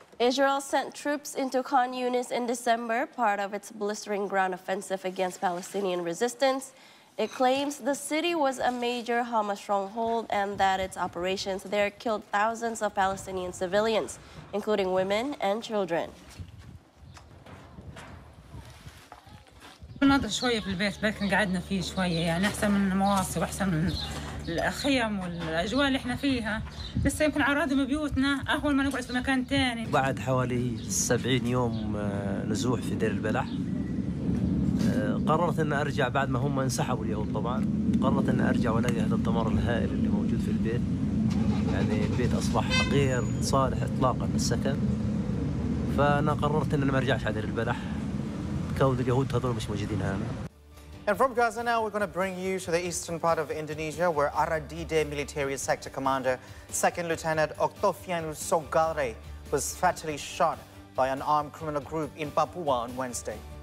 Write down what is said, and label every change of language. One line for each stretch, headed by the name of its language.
English: Israel sent troops into Khan Yunis in December, part of its blistering ground offensive against Palestinian resistance. It claims the city was a major Hamas stronghold and that its operations there killed thousands of Palestinian civilians, including women and children.
Arabic: نضل شوية في البيت لكن قعدنا فيه شوية يعني أحسن من المواصي وأحسن من الخيام والأجواء اللي إحنا فيها لسه يمكن عرادم بيوتنا أهول ما نقعد في مكان تاني بعد حوالي 70 يوم نزوح في دير البلح قررت أن أرجع بعد ما هم انسحبوا اليوم طبعا قررت أن أرجع وألاقي هذا الدمار الهائل اللي موجود في البيت يعني البيت أصبح غير صالح إطلاقا للسكن فأنا قررت أن ما أرجعش على دير البلح
English: And from Gaza now, we're going to bring you to the eastern part of Indonesia, where Aradide Military Sector Commander 2nd Lieutenant Oktofian Sogare was fatally shot by an armed criminal group in Papua on Wednesday.